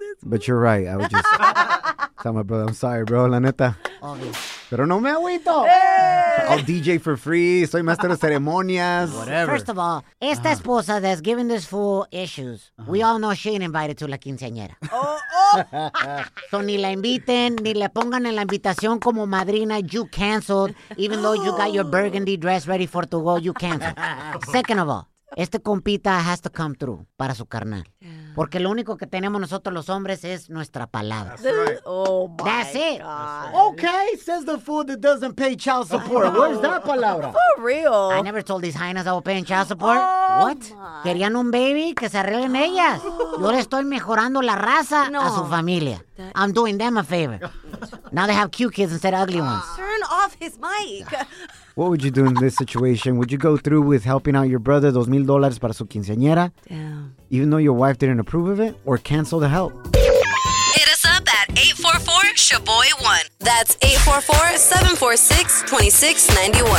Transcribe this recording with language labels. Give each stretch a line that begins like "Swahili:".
English: But you're right. I would just tell my brother, I'm sorry, bro.
Spanish: La neta.
English: Obvious.
Spanish: Pero no me agüito.
English: Hey. I'll DJ for free.
Spanish: Soy maestro de ceremonias.
English: Whatever. First of all,
Spanish: esta esposa
English: that's giving this fool issues, we all know she ain't invited to
Spanish: la quinceañera. So ni la inviten, ni le pongan en la invitación como madrina.
English: You canceled. Even though you got your burgundy dress ready for to go, you canceled. Second of all,
Spanish: este compita
English: has to come through
Spanish: para su carnal. Porque lo único que tenemos nosotros los hombres es nuestra palabra.
English: That's right. Oh, my God. That's it. God. Okay, says the fool that doesn't pay child support. Where's that palabra? For real. I never told these hyenas I was paying child support. Oh, what? My.
Spanish: Querían un baby que se arreglen ellas. Yo le estoy mejorando la raza a su familia.
English: I'm doing them a favor. Now they have cute kids instead of ugly ones. Turn off his mic. What would you do in this situation? Would you go through with helping out your brother, $2,000
Spanish: para su quinceañera?
English: Damn. Even though your wife didn't approve of it, or cancel the help? Hit us up at 844-SHABOY1. That's 844-746-2691.